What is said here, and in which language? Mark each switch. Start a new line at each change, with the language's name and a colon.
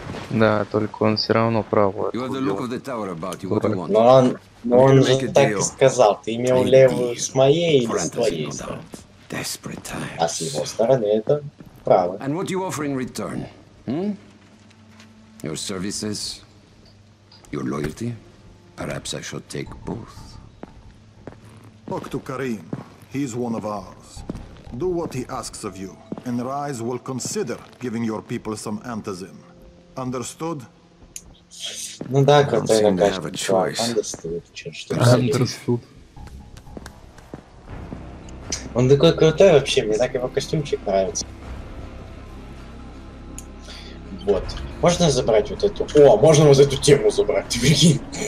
Russian: Да, только он все равно правый. Но он же так
English: deal.
Russian: И сказал, ты имел левую с моей или с твоей стороны. А с его стороны это право.
English: And what do you offer in return? Your services? Your loyalty? Perhaps I should take both. Talk to Karim. He's one of ours. Do what he asks of you, and Rise will consider giving your people some antizin. Understood?
Russian: Ну да, крутой наказчик, чувак,
English: understood.
Russian: Он такой крутой вообще, мне так его костюмчик нравится. Вот. Можно забрать вот эту? О, можно вот эту тему забрать, блин.